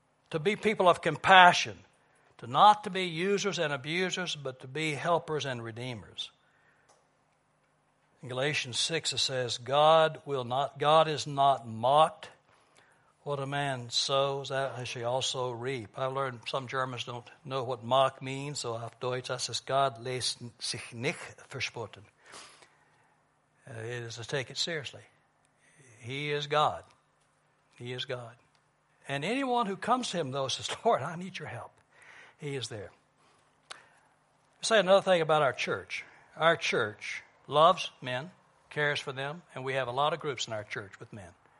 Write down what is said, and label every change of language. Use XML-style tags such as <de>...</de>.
<en>To be people of compassion, to not to be users and abusers, but to be helpers and redeemers. In Galatians 6, it says, God is not mocked. What a man sows, that shall he also reap. I've learned some Germans don't know what mock means, so</en> <de>auf Deutsch, das ist Gott lässt sich nicht verspotten.</de> <en>It is to take it seriously. He is God. He is God. And anyone who comes to him, though, says, Lord, I need your help. He is there. I'll say another thing about our church. Our church loves men, cares for them, and we have a lot of groups in our church with men.</en>